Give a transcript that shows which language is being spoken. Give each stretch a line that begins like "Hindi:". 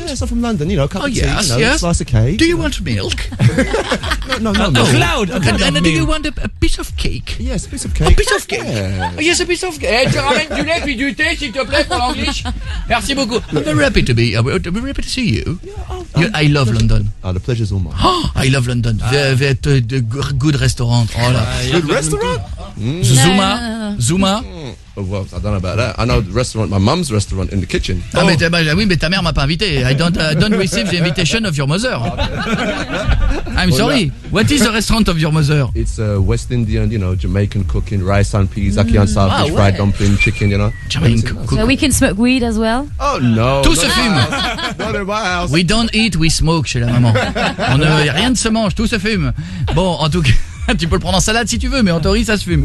English: Yes, I'm from London, you know, a cup of tea, a slice of cake. Do you want milk? No, milk. A cloud. And do you want a piece of cake? Yes, a piece of cake. A piece of cake? Yes, a piece of cake.
French: Je ramène du lait puis du thé, s'il te plaît, pour l'anglais. Merci beaucoup.
English: I'm very happy to be here. I'm very happy to see you. I love London. The pleasure's all mine. I love London. The good restaurant. Oh là. Good restaurant? Zuma. Well, I don't know about that. I know the restaurant, my mum's restaurant in the kitchen.
French: Ah, oh. mais ta mère m'a pas invité.
English: I don't receive the invitation of your mother. I'm sorry. What is the restaurant of your mother? It's a West Indian, you know, Jamaican cooking, rice and peas, ackee and sausage, fried dumpling, chicken, you know. Jamaican cooking. So we can smoke weed as well? Oh, no.
French: Tout se fume.
English: Not in my house. We don't eat, we smoke,
French: chez la maman. Rien ne se mange, tout se fume. Bon, en tout cas, tu peux le prendre en salade si tu veux, mais en théorie, ça se fume.